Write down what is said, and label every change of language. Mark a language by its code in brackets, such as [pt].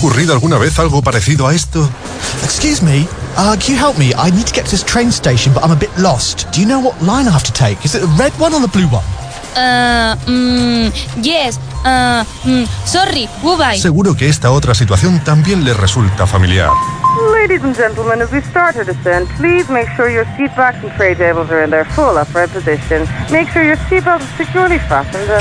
[es] ¿Alguna vez algo parecido a esto? [en] Excuse me, can you help me? I need to get to this train station, but I'm a bit lost. Do you know what line I have to take? Is it the red one or the blue one? Yes, Sorry, goodbye. [es] Seguro que esta otra situación también le resulta familiar. [en] Ladies and gentlemen, as we start our descent, please make sure your seat backs and tray tables are in their full upright position. Make sure your seatbelt is securely fastened and...